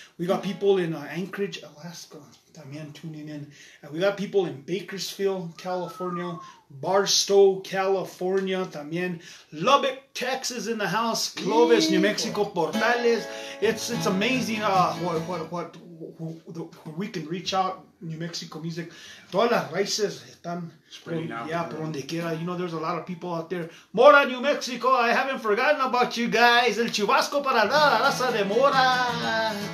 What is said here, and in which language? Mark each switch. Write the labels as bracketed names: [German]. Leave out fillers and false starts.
[English] We got people in Anchorage, Alaska también tuning in. And we got people in Bakersfield, California, Barstow, California también. Lubbock, Texas in the house. Clovis, New Mexico, Portales. It's amazing what we can reach out. New Mexico music. [Spanish] Todas las raíces están por donde quiera. [English] You know, there's a lot of people out there. Mora, New Mexico. I haven't forgotten about you guys. [Spanish] El Chubasco para la raza de Mora.